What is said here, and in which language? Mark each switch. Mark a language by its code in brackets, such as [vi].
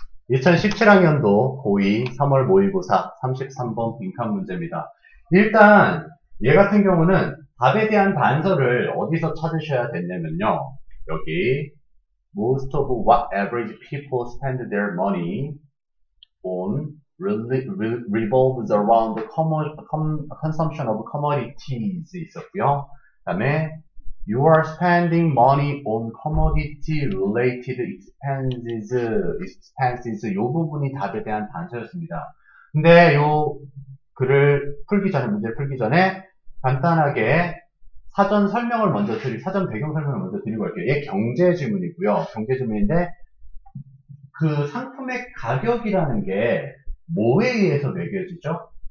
[ko] 2017학년도 고2 3월 모의고사 33번 빈칸 문제입니다. 일단 얘 같은 경우는 답에 대한 단서를 어디서 찾으셔야 됐냐면요. 여기 [en] Most of what average people spend their money on revolves around the consumption of commodities [ko] 있었고요. 그다음에 [en] You are spending money on commodity related expenses. [ko] 이 부분이 답에 대한 단서였습니다. 근데 요 글을 풀기 전에, 문제를 풀기 전에 간단하게 사전 설명을 먼저 드리, 사전 배경 설명을 먼저 드리고 갈게요. 이게 경제 지문이고요. 경제 지문인데 그 상품의 가격이라는 게 뭐에 의해서 매겨지죠?